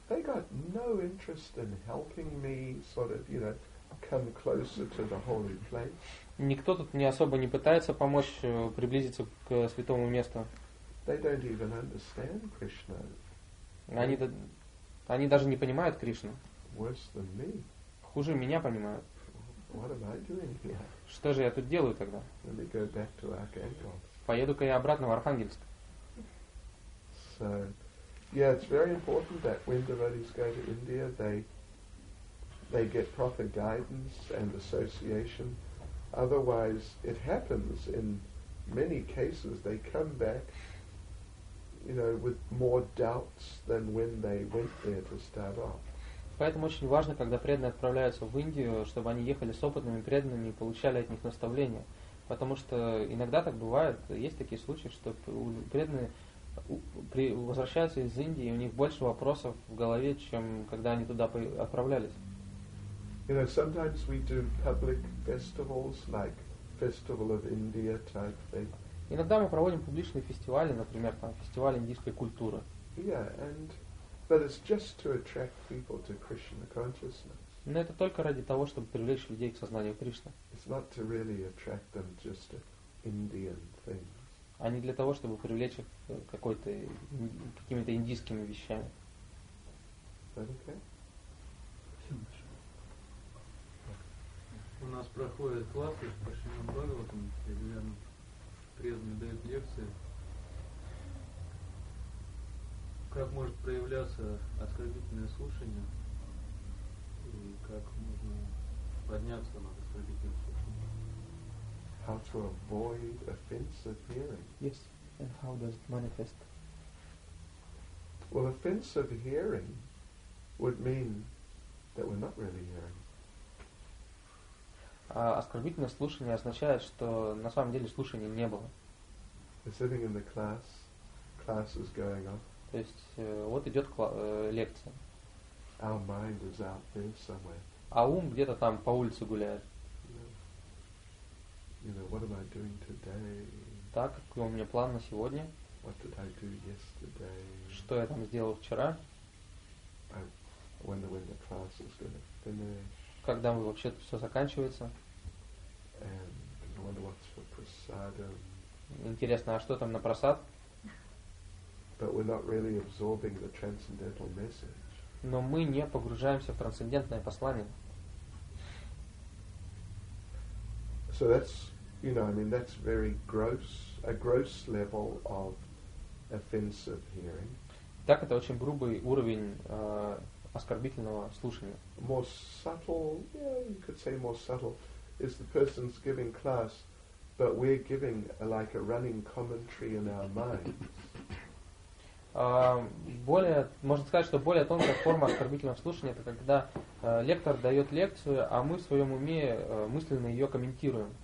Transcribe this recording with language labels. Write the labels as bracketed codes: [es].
[en] They got no interest in helping me sort of, you know, come closer to the holy place. [ru] Никто тут не особо не пытается помочь приблизиться к святому месту. [en] They don't even understand Krishna. [ru] Они даже не понимают Кришну. [en] Worse than me. [ru] Хуже меня понимают. [en] What am I doing here? [ru] Что же я тут делаю тогда? [en] Let me go back to Archangel. [ru] Поеду-ка я обратно в Архангельск. [en] So, yeah, it's very important that when devotees go to India, they get proper guidance and association. Otherwise, it happens in many cases they come back, you know, with more doubts than when they went there to start off. [ru] Поэтому очень важно, когда преданные отправляются в Индию, чтобы они ехали с опытными преданными и получали от них наставления. Потому что иногда так бывает, есть такие случаи, что преданные возвращаются из Индии, и у них больше вопросов в голове, чем когда они туда отправлялись. [en] You know, sometimes we do public festivals, like Festival of India type thing. [ru] Иногда мы проводим публичные фестивали, например, там, фестиваль индийской культуры. [en] Yeah, and but it's just to attract people to Krishna consciousness. [ru] Но это только ради того, чтобы привлечь людей к сознанию Кришны. [en] It's not to really attract them just to Indian things. [ru] А не для того, чтобы привлечь их какой-то какими-то индийскими вещами. [en] That okay? [ru] У нас проходят классы по Шримад Бхагаватам, регулярно преданные дают лекции. Как может проявляться оскорбительное слушание? И как можно подняться над оскорбительным слушанием? [en] How to avoid offensive hearing? Yes, and how does it manifest? Well, offensive hearing would mean that we're not really hearing. [ru] А оскорбительное слушание означает, что на самом деле слушания не было. [en] You're sitting in the class, class is going on. [ru] То есть вот идет лекция. [en] Our mind is out there somewhere. [ru] А ум где-то там по улице гуляет. [en] You know, what am I doing today? [ru] Так, какой у меня план на сегодня? [en] What did I do yesterday? [ru] Что я там сделал вчера? [en] I wonder when the class is gonna finish. [ru] Когда мы вообще все заканчивается. [en] And what's for prasadam. [ru] Интересно, а что там на просад? [en] But we're not really absorbing the transcendental message. [ru] Но мы не погружаемся в трансцендентное послание. [en] So that's, you know, I mean, that's very gross, a gross level of offensive hearing. [ru] Так, это очень грубый уровень оскорбительного слушания. [en] More subtle, yeah, you could say more subtle, is the person's giving class, but we're giving like a running commentary in our minds. [ru] Более, можно сказать, что более тонкая форма оскорбительного слушания — это когда лектор дает лекцию, а мы в своем уме мысленно ее комментируем.